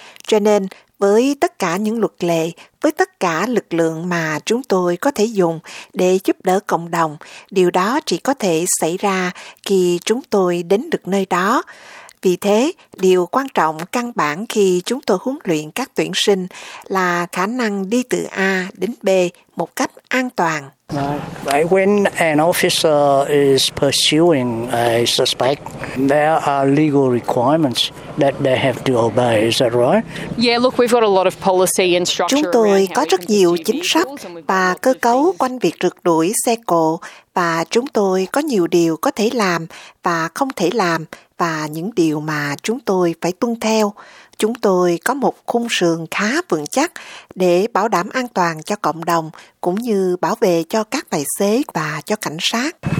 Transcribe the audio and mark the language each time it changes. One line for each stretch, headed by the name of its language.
Vietnamese: Cho nên, với tất cả những luật lệ, với tất cả lực lượng mà chúng tôi có thể dùng để giúp đỡ cộng đồng, điều đó chỉ có thể xảy ra khi chúng tôi đến được nơi đó. Vì thế, điều quan trọng căn bản khi chúng tôi huấn luyện các tuyển sinh là khả năng đi từ A đến B một cách an toàn.
English: Right. When an officer is pursuing a suspect, there are legal requirements that they have to obey. Is that right? Yeah, look, we've got a lot of policy and structure.
Vietnamese: Chúng tôi có rất nhiều chính sách và cơ cấu quanh việc rượt đuổi xe cộ, và chúng tôi có nhiều điều có thể làm và không thể làm, và những điều mà chúng tôi phải tuân theo. Chúng tôi có một khung sườn khá vững chắc để bảo đảm an toàn cho cộng đồng cũng như bảo vệ cho các tài xế và cho cảnh sát.